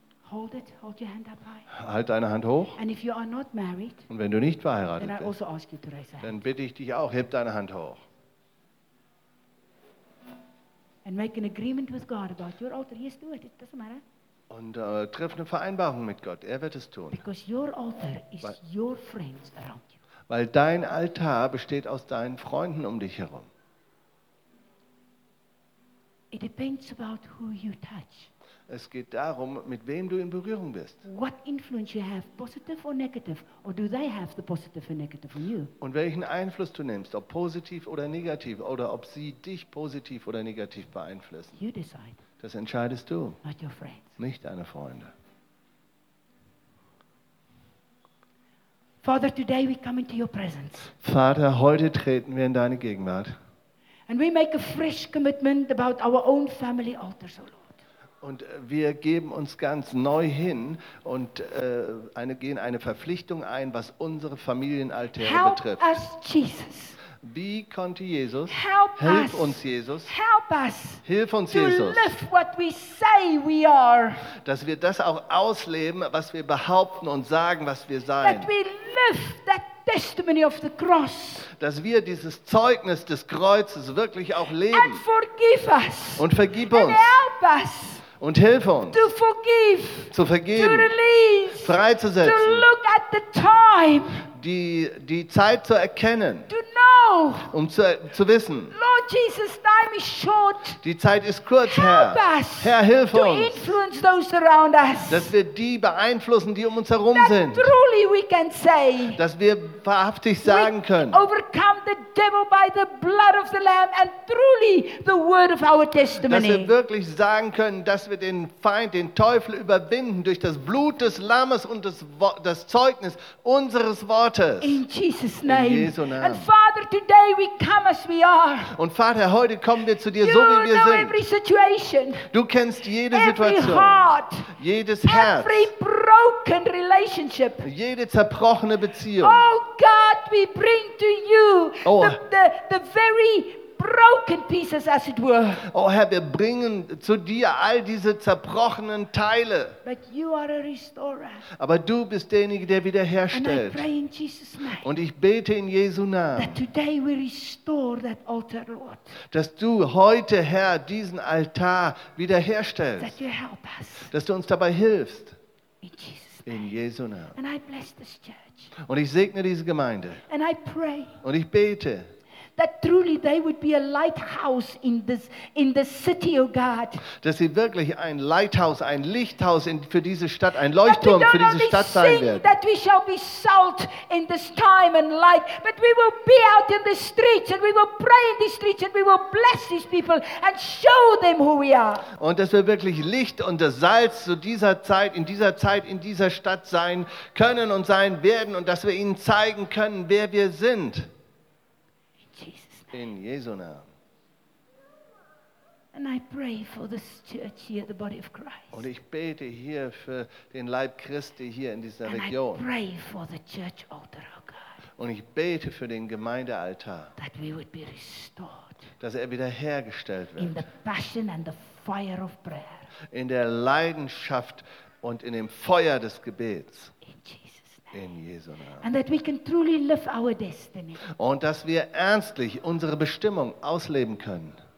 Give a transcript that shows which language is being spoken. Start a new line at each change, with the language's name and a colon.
English: Hold it, hold your hand up high.
German: Halt deine Hand hoch.
English: And if you are not married,
German: und wenn du nicht verheiratet
English: then I
German: bist,
English: also ask you to raise your hand.
German: Dann bitte ich dich auch, heb deine Hand hoch.
English: And make an agreement with God about your altar. Yes, do it, it doesn't matter.
German: Und triff eine Vereinbarung mit Gott. Er wird es tun.
English: Because your altar is your friends around you.
German: Weil dein Altar besteht aus deinen Freunden um dich herum.
English: It depends about who you touch.
German: Es geht darum, mit wem du in Berührung bist.
English: What influence you have, positive or negative, or do they have the positive or negative on you?
German: Und welchen Einfluss du nimmst, ob positiv oder negativ, oder ob sie dich positiv oder negativ beeinflussen.
English: You decide.
German: Das entscheidest du,
English: not your friends.
German: Nicht deine Freunde.
English: Father, today we come into your presence.
German: Vater, heute treten wir in deine Gegenwart.
English: And we make a fresh commitment about our own family altar, so Lord.
German: Und wir geben uns ganz neu hin und gehen eine Verpflichtung ein, was unsere Familienaltäre
English: help
German: betrifft.
English: Help us, Jesus.
German: Wie konnte Jesus?
English: Help
German: hilf
English: us.
German: Uns, Jesus.
English: Help us.
German: Hilf uns,
English: to
German: Jesus.
English: Live what we say we are.
German: Dass wir das auch ausleben, was wir behaupten und sagen, was wir sein.
English: That we live that testimony of the cross.
German: Dass wir dieses Zeugnis des Kreuzes wirklich auch leben.
English: And forgive us.
German: Und vergib uns.
English: And help us.
German: Und hilf uns,
English: to forgive,
German: zu vergeben,
English: to release,
German: freizusetzen,
English: to look at the time,
German: die Zeit zu erkennen,
English: to know,
German: um zu wissen,
English: Lord Jesus, time is short.
German: Die Zeit ist kurz,
English: help
German: Herr.
English: Us
German: Herr, hilf
English: to
German: uns,
English: influence those around us,
German: dass wir die beeinflussen, die um uns herum
English: that
German: sind,
English: truly we can say,
German: dass wir wahrhaftig sagen
English: we
German: können,
English: overcome the devil by the blood of the Lamb and truly the word of our testimony.
German: Dass wir wirklich sagen können, dass wir den Feind, den Teufel überwinden durch das Blut des Lammes und das Zeugnis unseres Wortes.
English: In Jesus' name.
German: In Jesu Namen.
English: And Father, to day we come as we are.
German: Und Vater, heute kommen wir zu dir so wie wir sind.
English: Every situation.
German: Du kennst jede
English: every
German: Situation.
English: Heart,
German: jedes Herz.
English: Every broken relationship.
German: Jede zerbrochene Beziehung.
English: Oh God, we bring to you the very broken pieces, as it were.
German: Oh Herr, wir bringen zu dir all diese zerbrochenen Teile.
English: But you are a restorer.
German: Aber du bist derjenige, der wiederherstellt.
English: And I pray in Jesus' name,
German: und ich bete in Jesu Namen,
English: that today we restore that altar, Lord.
German: Dass du heute, Herr, diesen Altar wiederherstellst.
English: That you help us.
German: Dass du uns dabei hilfst.
English: In Jesus'
German: name. In Jesu Namen.
English: And I bless this church.
German: Und ich segne diese Gemeinde.
English: And I pray.
German: Und ich bete,
English: that truly they would be a lighthouse in this city, O God.
German: Dass sie wirklich ein Lighthouse, ein Lichthaus für diese Stadt, ein Leuchtturm für diese Stadt sein werden.
English: That we shall be salt in this time and light, but we will be out in the streets and we will pray in the streets and we will bless these people and show them who we are.
German: Und dass wir wirklich Licht und das Salz zu dieser Zeit, in dieser Zeit, in dieser Stadt sein können und sein werden und dass wir ihnen zeigen können, wer wir sind. In Jesu Namen.
English: And I pray for this church here, the body of Christ.
German: Und ich bete hier für den Leib Christi hier in dieser Region.
English: And I pray for the church altar, oh God.
German: Und ich bete für den Gemeindealtar.
English: That we would be restored.
German: Dass er wiederhergestellt wird.
English: In the passion and the fire of prayer.
German: In der Leidenschaft und in dem Feuer des Gebets. In Jesu Namen.
English: And that we can truly live our destiny.
German: Und dass wir ernstlich unsere Bestimmung ausleben können.